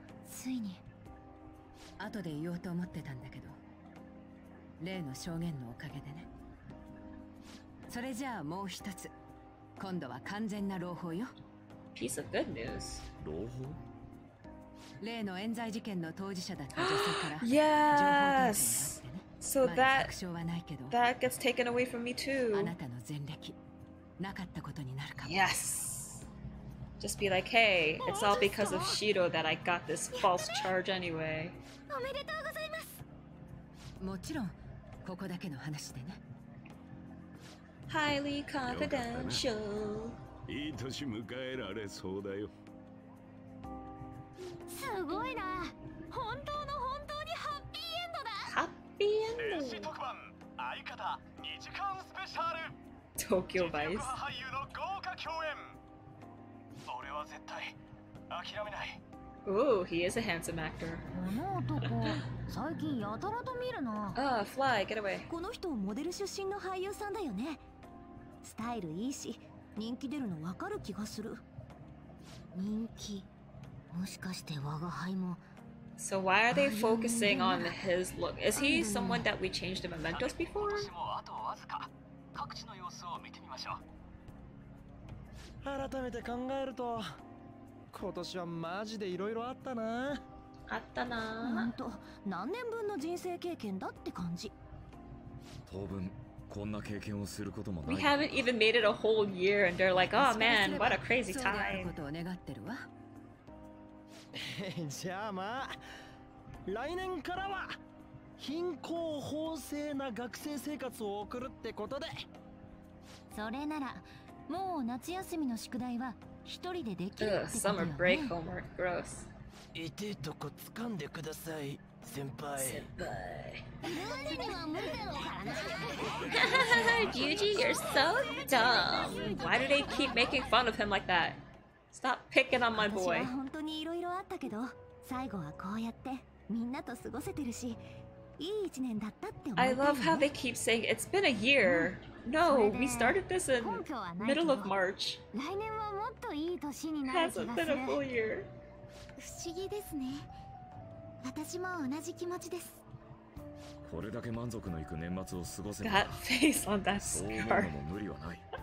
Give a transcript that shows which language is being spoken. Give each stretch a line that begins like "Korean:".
Japanese: ついに、後で言おうと思ってたんだけど、例の証言のおかげでね。それじゃあもう一つ、今度は完全な朗報よ。
English: Piece of good news.
Japanese: 朗報？例の冤罪事件の当事者だった女性から情報提供があってね。
English: So that gets taken away from me too.
Japanese: あなたの前歴なかったことになるかも。
English: Yes. Just be like, hey, it's all because of Shido that I got this false charge anyway.
Japanese: おめでとうございます。もちろんここだけの話でね。
English: Highly confidential.
Japanese: いい年迎えられそうだよ。すごいな。本当の本当にハッピーエンドだ。ハッピーエンド。特番相方二時間スペシャル。東京バイス。俳優の豪華共演。俺は絶対諦めない。
English: Ooh, he is a handsome actor.
Japanese: この男、最近やたらと見るな。
English: Ah, fly, get away.
Japanese: この人モデル出身の俳優さんだよね。スタイルいいし、人気出るの分かる気がする。人気。もしかして我が輩も。
English: So why are they focusing on his look? Is he someone that we changed the mementos before?
Japanese: 私もあとわずか。各地の様子を見てみましょう。改めて考えると、今年はマジでいろいろあったな。あったな。なんと何年分の人生経験だって感じ。当分こんな経験をすることもない。
English: We haven't even made it a whole year, and they're like, "Oh man, what a crazy time!"
Japanese: そういうことを願ってるわ。じゃあまあ来年からは貧困法制な学生生活を送るってことで。それならもう夏休みの宿題は一人でできるってことだよね。
English: Summer break homework, gross.
Japanese: いてえとこ掴んでください、先輩。先輩。ルージには無理だろうからな。
English: ユージ、you're so dumb. Why do they keep making fun of him like that? Stop picking on my boy.
Japanese: 私は本当にいろいろあったけど、最後はこうやってみんなと過ごせてるし、いい一年だったって思ってるね。
English: I love how they keep saying it's been a year. No, we started this in middle of March.
Japanese: 来年はもっといい年になる気がする。
English: Hasn't been a full year.
Japanese: 不思議ですね。私も同じ気持ちです。これだけ満足のいく年末を過ごせた。
English: That face on that scar.
Japanese: そう思うのも無理はない。